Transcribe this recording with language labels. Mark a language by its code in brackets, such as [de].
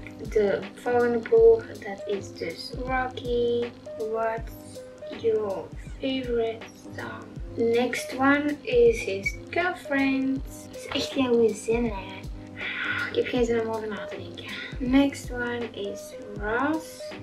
[nl] De volgende boek, dat is dus Rocky. [en] What's your favorite song? Next one is his girlfriend. [nl] Het is echt geen goede zin, hè. Ik heb geen zin om over na te denken. [en] Next one is Ross.